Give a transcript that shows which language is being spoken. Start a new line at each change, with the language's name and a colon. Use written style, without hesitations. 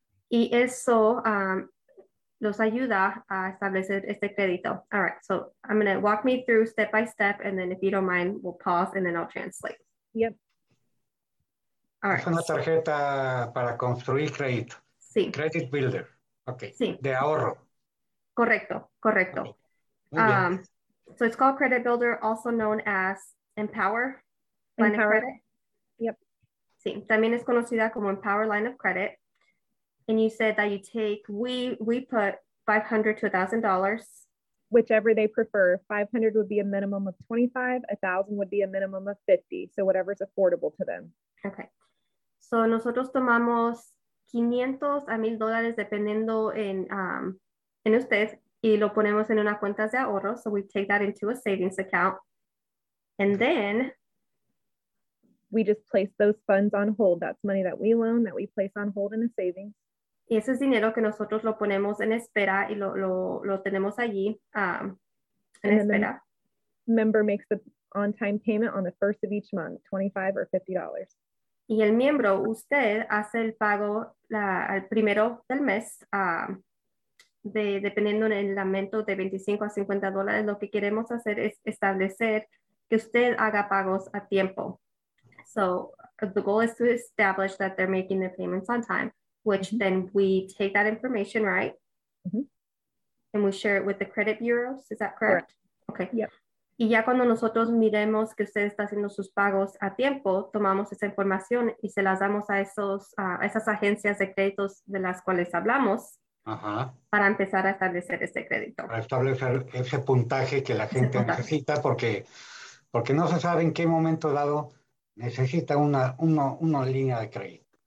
Spanish: Y eso los ayuda a establecer este crédito.
English: All right, so I'm going to walk me through step by step, and then if you don't mind, we'll pause and then I'll translate. Yep. All right.
Spanish: Es una tarjeta para construir crédito. Sí.
English: Credit Builder. Okay.
Spanish: Sí. De ahorro. Correcto, correcto. Okay. Muy bien.
English: So it's called Credit Builder, also known as Empower. Line Empower. Of credit. Yep.
Spanish: Sí. También es conocida como Empower Line of Credit.
English: And you said that you take, we put $500 to $1,000. Whichever they prefer. $500 would be a minimum of $25. $1,000 would be a minimum of $50. So whatever's affordable to them. Okay. So
Spanish: nosotros tomamos $500 a $1,000 dependiendo en usted. Y lo ponemos en una cuenta de ahorro.
English: So we take that into a savings account. And then we just place those funds on hold. That's money that we loan that we place on hold in a savings.
Spanish: Y ese es dinero que nosotros lo ponemos en espera y lo tenemos allí en espera.
English: Member makes the on-time payment on the first of each month, $25 or $50.
Spanish: Y el miembro, usted, hace el pago al primero del mes, dependiendo en el aumento de $25 a $50. Lo que queremos hacer es establecer que usted haga pagos a tiempo.
English: So the goal is to establish that they're making the payments on time. Which mm-hmm. then we take that information, right? Mm-hmm. And we share it with the credit bureaus. Is that correct? Correct. Okay. Yep.
Spanish: Y ya cuando nosotros miremos que usted está haciendo sus pagos a tiempo, tomamos esa información y se las damos a esas agencias de créditos de las cuales hablamos para empezar a establecer ese crédito. Para establecer ese puntaje que la gente necesita porque no se sabe en qué momento dado necesita una línea de crédito.